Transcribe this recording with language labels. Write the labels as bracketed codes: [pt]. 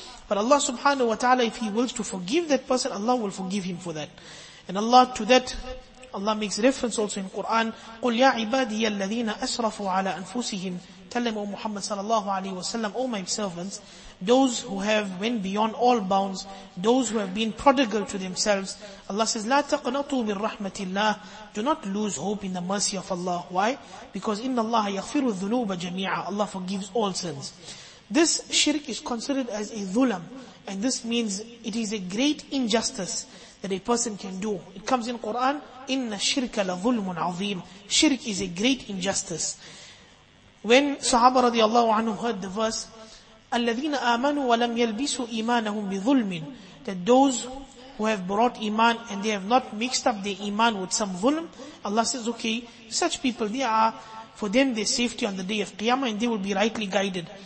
[en] But Allah subhanahu wa ta'ala, if he wills to forgive that person, Allah will forgive him for that. And Allah, to that, Allah makes reference also in Quran, [ar] قُلْ يَا عِبَادِيَ الَّذِينَ أَسْرَفُوا عَلَىٰ أَنفُسِهِمْ. [en] Tell them, O Muhammad sallallahu alayhi wa sallam, O my servants, those who have went beyond all bounds, those who have been prodigal to themselves. Allah says, [ar] لَا تَقْنَطُوا مِنْ رَحْمَةِ اللَّهِ. [en] Do not lose hope in the mercy of Allah. Why? Because [ar] إِنَّ اللَّهَ يَغْفِرُ الذُّنُوبَ جَمِيعًا. [en] Allah forgives all sins. This shirk is considered as a dhulam, and this means it is a great injustice that a person can do. It comes in Quran, [ar] إِنَّ الشِّرْكَ لَظُلْمٌ عَظِيمٌ. [en] Shirk is a great injustice. When Sahaba radiallahu anhu heard the verse, [ar] أَلَّذِينَ آمَنُوا وَلَمْ يَلْبِسُوا إِيمَانَهُمْ بِظُلْمٍ, [en] that those who have brought iman and they have not mixed up their iman with some dhulm, Allah says, okay, such people, they are, for them, their safety on the day of qiyamah, and they will be rightly guided.